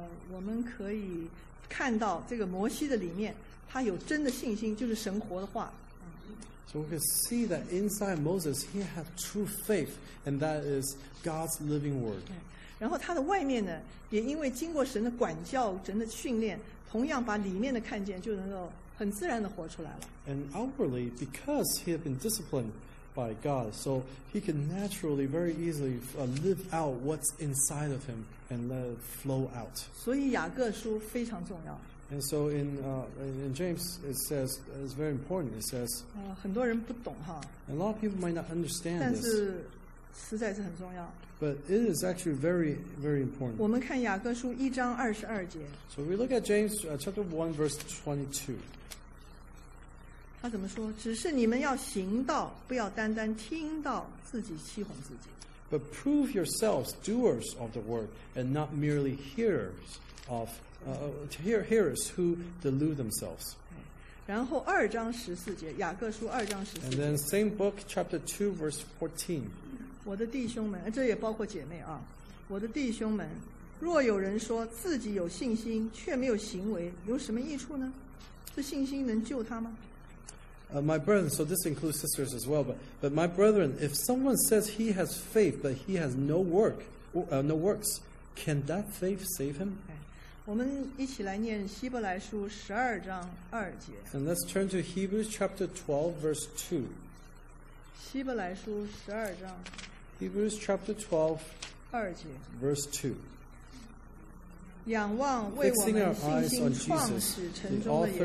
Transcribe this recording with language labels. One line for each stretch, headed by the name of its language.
Chinese: 我们可以看到这个摩西的里面，他有真的信心，就是神活的话。
English: So we can see that inside Moses, he had true faith, and that is God's living word.
Chinese: 然后他的外面呢，也因为经过神的管教、神的训练，同样把里面的看见，就能够很自然地活出来了。
English: And outwardly, because he had been disciplined by God, so he can naturally, very easily live out what's inside of him and let it flow out.
Chinese: 所以雅各书非常重要。
English: And so in James, it says, it's very important, it says,
Chinese: 很多人不懂哈。
English: And a lot of people might not understand
Chinese: 但是
English: this,
Chinese: 实在是很重要。
English: But it is actually very, very important.
Chinese: 我们看雅各书一章二十二节。
English: So we look at James chapter 1, verse 22.
Chinese: 他怎么说？只是你们要行道，不要单单听到自己欺哄自己。
English: But prove yourselves doers of the word, and not merely hearers of hearers who delude themselves.
Chinese: 然后二章十四节，雅各书二章十四节。
English: And then same book, chapter 2, verse 14.
Chinese: 我的弟兄们，这也包括姐妹啊。我的弟兄们，若有人说自己有信心，却没有行为，有什么益处呢？这信心能救他吗？
English: My brethren, so this includes sisters as well, but my brethren, if someone says he has faith, but he has no works, can that faith save him?
Chinese: 我们一起来念希伯来书十二章二节。
English: And let's turn to Hebrews chapter 12, verse 2.
Chinese: 希伯来书十二章。
English: Hebrews chapter 12,
Chinese: 二节。
English: Verse 2.
Chinese: 仰望为我们信心创始成终的耶稣。